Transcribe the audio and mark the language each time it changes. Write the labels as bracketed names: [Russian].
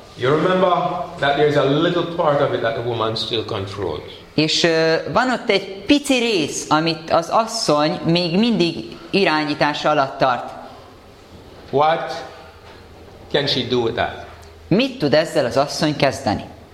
[English] You remember that there's a little part of it that the woman still controls. [Hungarian] És van ott egy pici rész, amit az asszony még mindig irányítása alatt tart. [English] What can she do with that? [Hungarian] Mit tud ezzel az asszony kezdeni?